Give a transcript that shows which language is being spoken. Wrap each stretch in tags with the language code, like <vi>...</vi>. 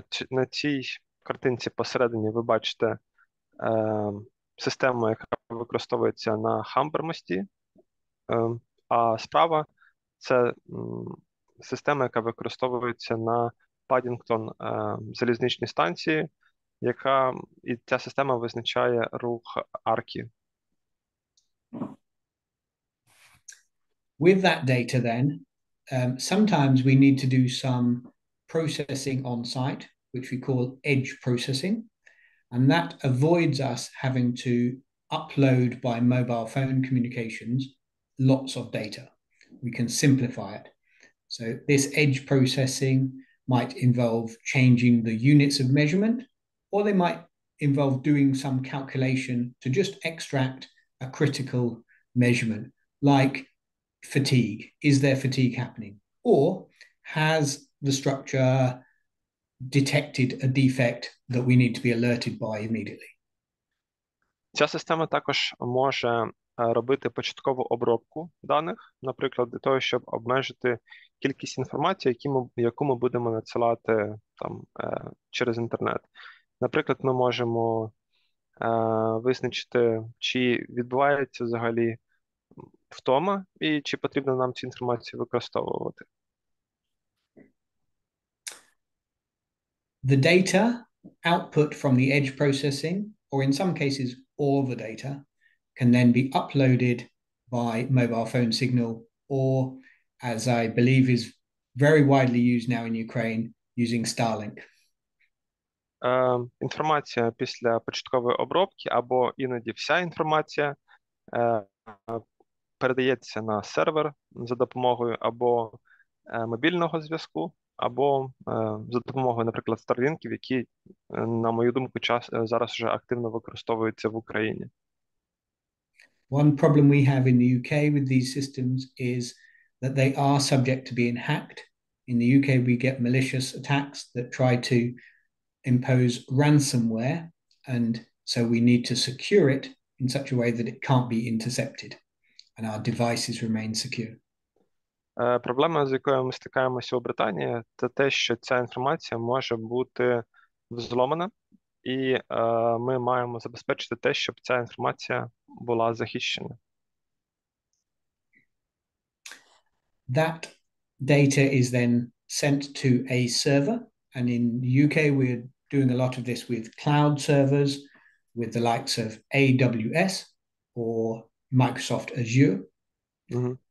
<uk>На цій картинці посередині ви бачите систему, яка використовується на Humber мості, а справа – це система, яка використовується на Paddington залізничній станції, яка і ця система визначає рух арки.</uk> <en>With that data then, sometimes we need to do some processing on site, which we call edge processing, and that avoids us having to upload by mobile phone communications lots of data. We can simplify it. So this edge processing might involve changing the units of measurement, or they might involve doing some calculation to just extract a critical measurement, like fatigue. Is there fatigue happening? Or has the structure detected a defect that we need to be alerted by immediately?</en> <uk>Ця система також може робити початкову обробку даних, наприклад, для того, щоб обмежити кількість інформації, яку ми будемо надсилати там через інтернет. Наприклад, ми можемо визначити, чи відбувається взагалі втома і чи потрібно нам цю інформацію використовувати.</uk> <en>The data output from the edge processing, or in some cases all the data, can then be uploaded by mobile phone signal, or, as I believe is very widely used now in Ukraine, using Starlink.</en> <uk>Інформація після початкової обробки, або іноді вся інформація, передається на сервер за допомогою або мобільного зв'язку, або за допомогою, наприклад, Starlink, які, на мою думку, зараз вже активно використовуються в Україні.</uk> <en>One problem we have in the UK with these systems is that they are subject to being hacked. In the UK, we get malicious attacks that try to impose ransomware, and so we need to secure it in such a way that it can't be intercepted and our devices remain secure.</en> <uk>Проблема, з якою ми стикаємося у Британії, це те, що ця інформація може бути взломана, і ми маємо забезпечити те, щоб ця інформація була захищена.</uk> <en>That data is then sent to a server, and in the UK we're doing a lot of this with cloud servers, with the likes of AWS or Microsoft Azure. Mm-hmm.</en>